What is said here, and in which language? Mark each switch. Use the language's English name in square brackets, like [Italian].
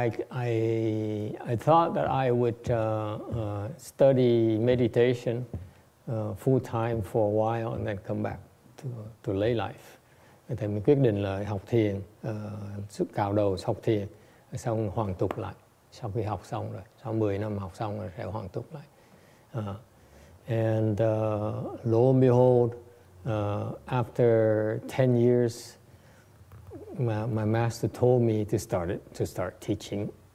[English] So I thought that I would study meditation full time for a while and then come back to lay life. [Vietnamese] Thầy mình quyết định là học thiền, sức cao đầu học thiền, xong hoàn tục lại. Sau khi học xong rồi, sau 10 năm học xong rồi sẽ hoàn tục lại. [English] And lo and behold, after 10 years, my master told me to start teaching.